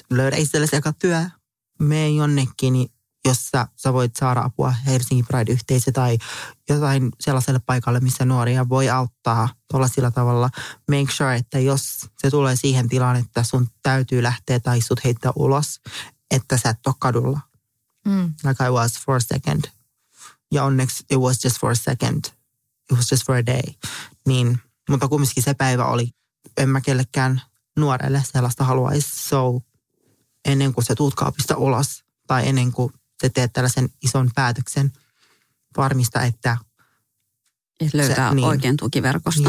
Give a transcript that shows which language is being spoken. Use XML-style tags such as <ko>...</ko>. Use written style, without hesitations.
<fi>Löydä itsellesi eka työ, mene jonnekin, jossa sä voit saada apua Helsingin Pride-yhteisö tai jotain sellaiselle paikalle, missä nuoria voi auttaa tuolla sillä tavalla.</fi> <en>Make sure,</en> <fi>että jos se tulee siihen tilaan, että sun täytyy lähteä tai sut heittää ulos, että sä et ole kadulla. Mm.</fi> <en>Like I was for a second.</en> <fi>Ja onneksi</fi> <en>it was just for a second. It was just for a day.</en> <fi>Niin, mutta kumminkin se päivä oli. En mä kellekään nuorelle sellaista haluaisi. So, ennen kuin sä tuut kaapista ulos, tai ennen kuin sä teet tällaisen ison päätöksen, varmista, että et löytää se, niin oikein tukiverkosta.</fi>